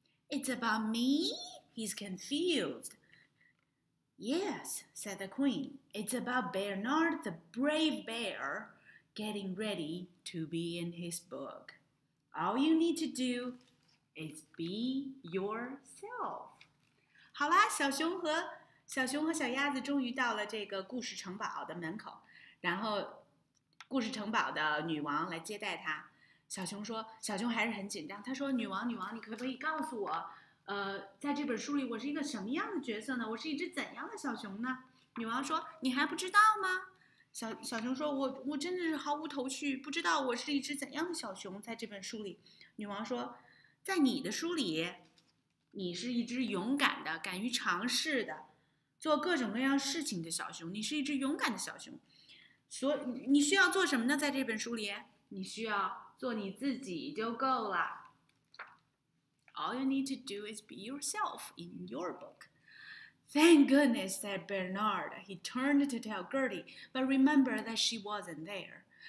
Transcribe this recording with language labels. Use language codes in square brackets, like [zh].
[en] It's about me? He's confused. Yes, said the queen. It's about Bernard the brave bear getting ready to be in his book. All you need to do is be yourself. [zh] 好啦，小熊和小鸭子终于到了这个故事城堡的门口，然后故事城堡的女王来接待他。小熊说，小熊还是很紧张。他说，女王，你可不可以告诉我，在这本书里我是一个什么样的角色呢？我是一只怎样的小熊呢？女王说，你还不知道吗？小熊说，我真的是毫无头绪，不知道我是一只怎样的小熊在这本书里。女王说，在你的书里，你是一只勇敢的，敢于尝试的，做各种各样事情的小熊。你是一只勇敢的小熊。所以你需要做什么呢？在这本书里，你需要做你自己就够了。 [en] All you need to do is be yourself in your book. Thank goodness, said Bernard. He turned to tell Gertie, but remembered that she wasn't there.